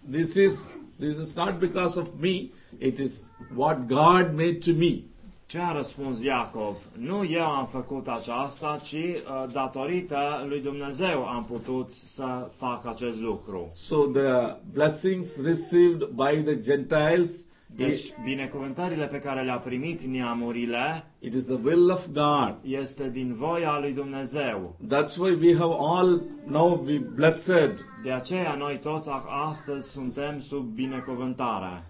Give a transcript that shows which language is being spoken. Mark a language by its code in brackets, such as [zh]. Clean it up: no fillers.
[en] This is not because of me. It is what God made to me. [ro] Ce a răspuns Iacov? Nu eu am făcut aceasta, ci datorită lui Dumnezeu am putut să fac acest lucru. [en] So the blessings received by the Gentiles. [ro] Deci binecuvântările pe care le-a primit neamurile, [en] it is the will of God. [ro] Este din voia lui Dumnezeu. [en] That's why we have all now be blessed. [ro] De aceea noi toți astăzi suntem sub binecuvântare.